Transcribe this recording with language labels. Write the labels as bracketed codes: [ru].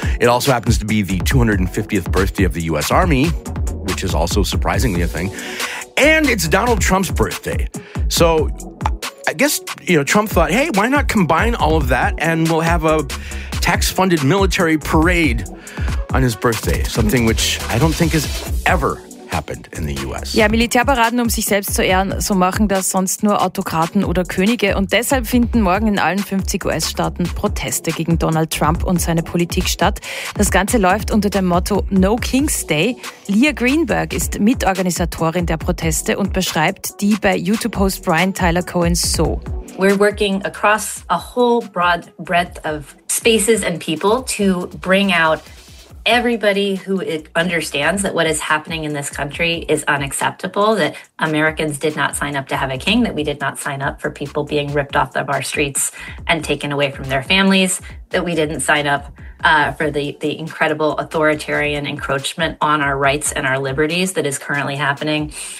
[en] It also happens to be the 250th birthday of the U.S. Army, which is also surprisingly a thing. And it's Donald Trump's birthday. So I guess, you know, Trump thought, hey, why not combine all of that and we'll have a tax-funded military parade on his birthday, something which I don't think is ever happened in the US. [de] Ja, Militärparaden, um sich selbst zu ehren, so machen das sonst nur Autokraten oder Könige. Und deshalb finden morgen in allen 50 US-Staaten Proteste gegen Donald Trump und seine Politik statt. Das Ganze läuft unter dem Motto No King's Day. Lia Greenberg ist Mitorganisatorin der Proteste und beschreibt die bei YouTube-Host Brian Tyler Cohen so. [en] We're working across a whole broad breadth of spaces and people to bring out everybody who understands that what is happening in this country is unacceptable, that Americans did not sign up to have a king, that we did not sign up for people being ripped off of our streets and taken away from their families, that we didn't sign up for the incredible authoritarian encroachment on our rights and our liberties that is currently happening.